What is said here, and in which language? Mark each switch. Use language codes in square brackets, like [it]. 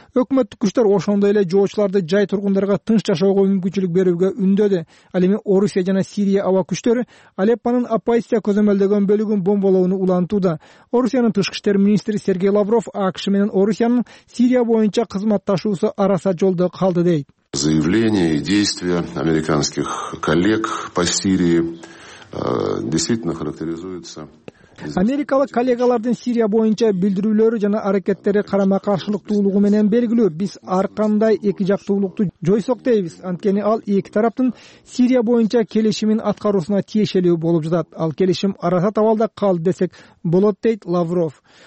[ky] Өкмөттүк күчтөр ошондой эле жоочуларды жай тургундарга тынч жашоого мүмкүнчүлүк берүүгө үндөдү. Ал эми Орусия жана Сирия аба күчтөрү Алеппанын оппозиция көзөмөлдөгөн бөлүгүн бомбалоону улантууда. Орусиянын тышкы иштер министри Сергей Лавров АКШ менен Орусиянын Сирия боюнча кызматташуусу араса жолдо калды дейт. [ru] Заявления и действия американских коллег по Сирии действительно характеризуются. [ky] Америкалык коллегалардын Сирия боюнча билдирүүлөрү жана аракеттери карама-каршылыктуулугу менен белгилүү. Биз ар кандай эки жактуулукту жойсок дейбиз, анткени ал эки тараптын Сирия боюнча келишимин аткаруусуна тиешелүү болуп жатат. Ал келишим араса табалда калды десек болот, дейт Лавров.